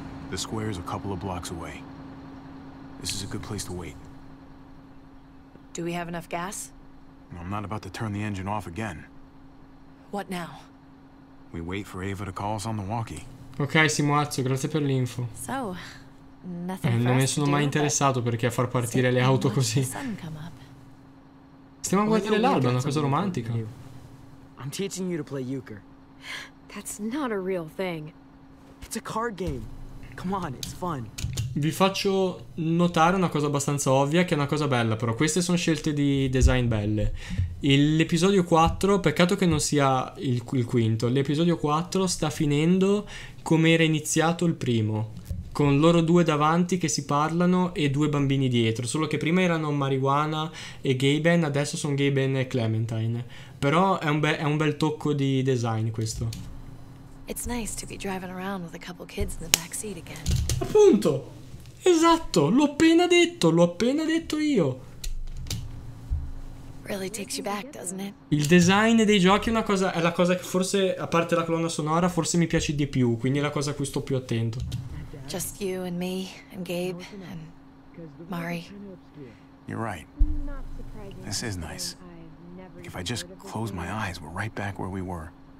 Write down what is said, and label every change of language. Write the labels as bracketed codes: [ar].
[en] The square is a couple of blocks away. This is a good place to wait. Do we have enough gas? I'm not about to turn the engine off again. What now? We wait for Ava to call us on the walkie. [it] Ok, Simuazzo, grazie per l'info. [en] So, [it] non mi sono mai interessato perché a far partire le auto così. Stiamo a guardare l'alba, una cosa romantica. [en] I'm teaching you to play euchre. That's not a real thing. It's a card game. Come on, it's fun. [it] Vi faccio notare una cosa abbastanza ovvia, che è una cosa bella, però queste sono scelte di design belle. L'episodio 4, peccato che non sia il quinto, l'episodio 4 sta finendo come era iniziato il primo, con loro due davanti che si parlano e due bambini dietro, solo che prima erano Marijuana e Gaben, adesso sono Gaben e Clementine. Però è un bel tocco di design questo. [en] It's nice to be driving around with a couple kids in the back seat again. [it] Appunto. Esatto, l'ho appena detto io. [en] Really takes you back, doesn't it? [it] Il design dei giochi è la cosa che forse, a parte la colonna sonora, forse mi piace di più, quindi è la cosa a cui sto più attento. [en] Just you and me and Gabe and Mari. You're right. This is nice. Like if I just close my eyes, we're right back where we were.